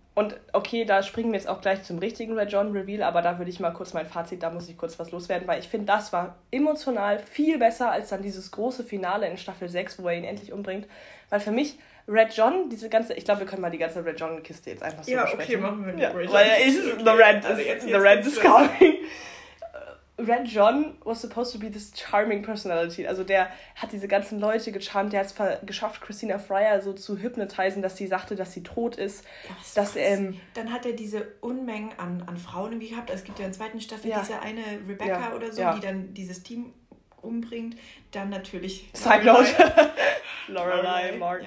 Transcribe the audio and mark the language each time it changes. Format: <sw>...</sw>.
<de>Und okay, da springen wir jetzt auch gleich zum richtigen Red John Reveal, aber da würde ich mal kurz mein Fazit, da muss ich kurz was loswerden, weil ich finde, das war emotional viel besser als dann dieses große Finale in Staffel 6, wo er ihn endlich umbringt. Weil für mich, Red John, diese ganze, ich glaube, wir können mal die ganze Red John-Kiste jetzt einfach so, ja, besprechen. Ja, okay, machen wir den, ja, Red. Weil</de> <en>the Red is coming. Red John was supposed to be this charming personality.</en> <de>Also der hat diese ganzen Leute gecharmt. Der hat es geschafft, Christina Fryer so zu hypnotisieren, dass sie sagte, dass sie tot ist. Was, dass, was? Dann hat er diese Unmengen an Frauen irgendwie gehabt. Es gibt ja in der zweiten Staffel, ja, diese eine Rebecca, ja, oder so, ja, die dann dieses Team umbringt. Dann natürlich...</de> <en>Side note. Lorelei Martin.</en>